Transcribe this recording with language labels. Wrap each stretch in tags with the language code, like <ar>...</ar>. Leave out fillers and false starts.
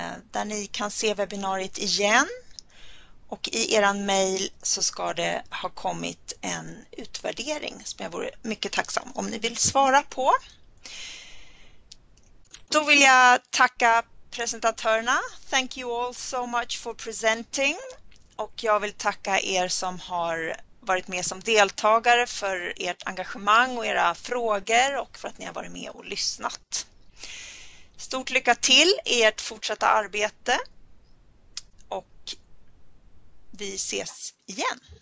<sv>Där ni kan se webbinariet igen. Och i eran mejl så ska det ha kommit en utvärdering som jag vore mycket tacksam om ni vill svara på. Då vill jag tacka presentatörerna.</sv> <en>Thank you all so much for presenting.</en> <sv>Och jag vill tacka er som har varit med som deltagare för ert engagemang och era frågor och för att ni har varit med och lyssnat. Stort lycka till i ert fortsatta arbete och vi ses igen.</sv>